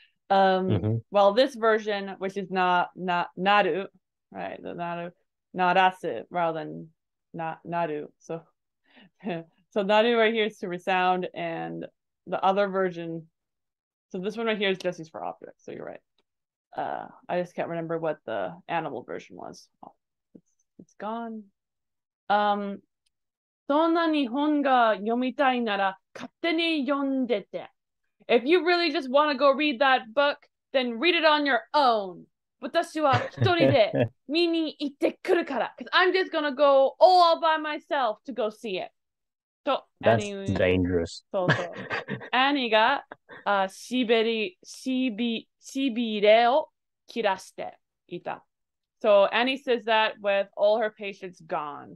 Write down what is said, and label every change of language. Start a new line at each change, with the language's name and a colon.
English: Well, this version, which is naru, right? The naru, narasu, rather than naru. So naru right here is to resound, and the other version, so this one right here is just used for objects. So you're right. I just can't remember what the animal version was. It's gone.
Japanese: そんなに本が読みたいなら勝手に読んでて。
English: If you really just want to go read that book, then read it on your own.
Japanese: 私は一人で見に行ってくるから。
English: Because I'm just going to go all by myself to go see it. と、That's dangerous.
Japanese: そうそう。アニが、しびれを切らしていた。
English: So Annie says that with all her patience gone.